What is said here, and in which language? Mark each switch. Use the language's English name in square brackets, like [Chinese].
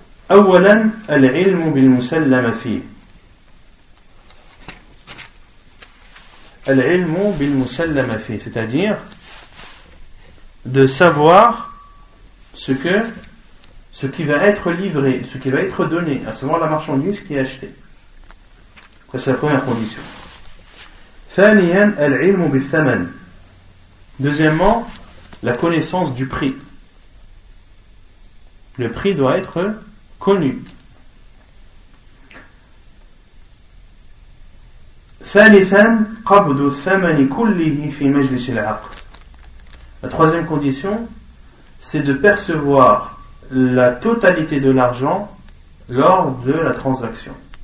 [Arabic] أولا العلم بالمسلم فيه [French] العلم بالمسلم فيه c'est-à-dire de savoir ce qui va être livré, ce qui va être donné, à savoir la marchandise qui est achetée. Ça, c'est la première condition. [Arabic] ثانيا العلم بالثمن [French] deuxièmement la connaissance du prix. Le prix doit être connu. [Arabic] Thalithan, qabdu thamani kullihi fi majlis al-aqd. [French] La troisième condition, c'est de percevoir la totalité de l'argent lors de la transaction.